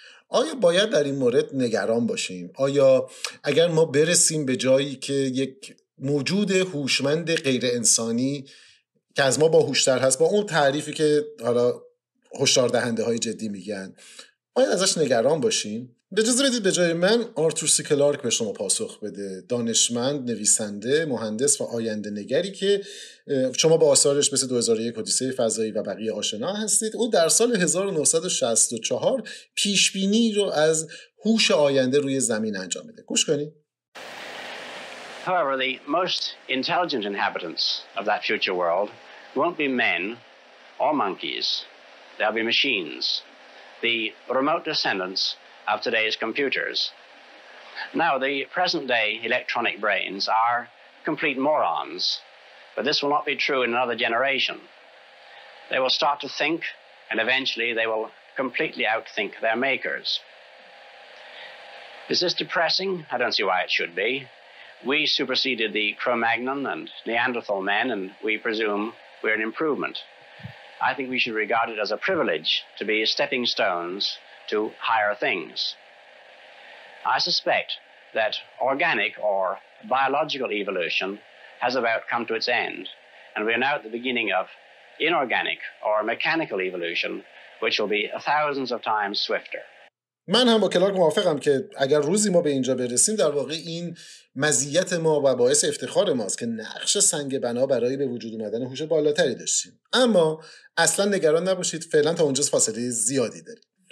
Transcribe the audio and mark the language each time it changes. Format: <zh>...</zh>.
<fa>آیا باید در این مورد نگران باشیم؟ آیا اگر ما برسیم به جایی که یک موجود هوشمند غیر انسانی که از ما باهوشتر هست، با اون تعریفی که حالا هشدار دهنده های جدی میگن، باید ازش نگران باشیم؟ اجازه بدید به جای من آرتور سی کلارک به شما پاسخ بده، دانشمند، نویسنده، مهندس و آینده نگری که شما با آثارش مثل 2001 اودیسه فضایی و بقیه آشنا هستید. او در سال 1964 پیشبینی رو از هوش آینده روی زمین انجام میده. گوش کنید.</fa> <en>However, the most intelligent inhabitants of that future world won't be men or monkeys. They'll be machines. The remote descendants of today's computers. Now, the present-day electronic brains are complete morons, but this will not be true in another generation. They will start to think, and eventually they will completely outthink their makers. Is this depressing? I don't see why it should be. We superseded the Cro-Magnon and Neanderthal men, and we presume we're an improvement. I think we should regard it as a privilege to be stepping stones to higher things. I suspect that organic or biological evolution has about come to its end, and we are now at the beginning of inorganic or mechanical evolution, which will be thousands of times swifter.</en> <fa>من هم با کلارک موافقم که اگر روزی ما به اینجا برسیم، در واقع این مزیت ما و باعث افتخار ماست که نقش سنگ بنا برای به وجود اومدن هوش بالاتری داشتیم. اما اصلا نگران نباشید، فعلا تا اونجا فاصله زیادی داریم.</fa>